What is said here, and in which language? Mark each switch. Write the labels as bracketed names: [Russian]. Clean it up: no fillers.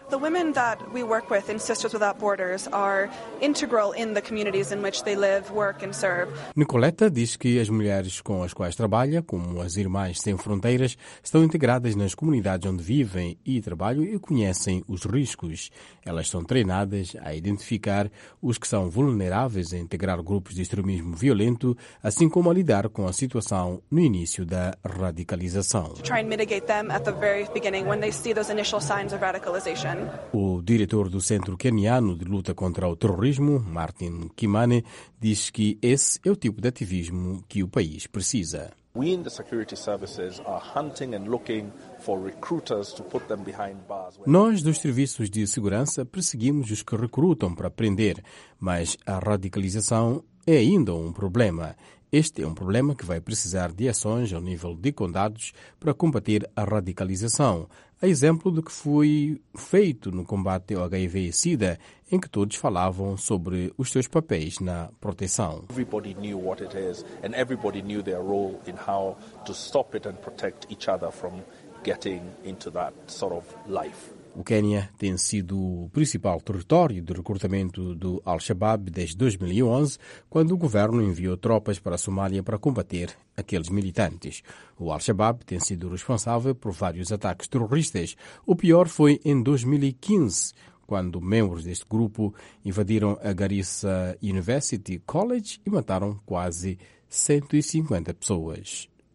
[English] The women that we work with in Sisters Without Borders are integral in the communities in which they live, work and serve. [Portuguese] Nicoleta diz que as mulheres com as quais trabalha, como as Irmãs Sem Fronteiras, estão integradas nas comunidades onde vivem e trabalham e conhecem os riscos. Elas são treinadas a identificar os que são vulneráveis a integrar grupos de extremismo violento, assim como a lidar com a situação no início da radicalização. [English] To try and mitigate them at the very beginning when they see those initial signs of radicalization. [Portuguese] O diretor do Centro Keniano de Luta contra o Terrorismo, Martin Kimane, diz que esse é o tipo de ativismo que o país precisa. [English] We in the security services are hunting and looking for recruiters to put them behind bars. [Portuguese] Nós dos serviços de segurança perseguimos os que recrutam para prender, mas a radicalização é ainda um problema. Este é um problema que vai precisar de ações ao nível de condados para combater a radicalização, a exemplo do que foi feito no combate ao HIV e SIDA, em que todos falavam sobre os seus papéis na proteção. [English] Everybody knew what it is and everybody knew their role in how to stop it and protect each other from getting into that sort of life. [Portuguese] O Quênia tem sido o principal território de recrutamento do Al-Shabaab desde 2011, quando o governo enviou tropas para a Somália para combater aqueles militantes. O Al-Shabaab tem sido responsável por vários ataques terroristas. O pior foi em 2015, quando membros deste grupo invadiram a Garissa University College e mataram quase 150 pessoas.